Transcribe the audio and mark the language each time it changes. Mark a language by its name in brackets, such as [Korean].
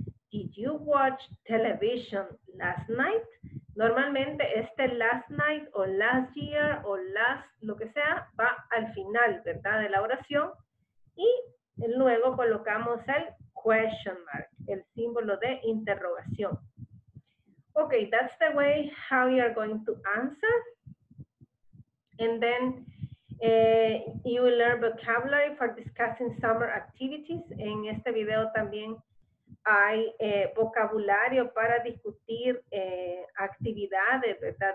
[English] Did you watch television last night? [Spanish] Normalmente este last night o last year o last, lo que sea, va al final, ¿verdad? De la oración. Y luego colocamos el question mark, el símbolo de interrogación. [English] Ok, that's the way how you are going to answer. And then you will learn vocabulary for discussing summer activities. [Spanish] En este video también hay vocabulario para discutir actividades, ¿verdad?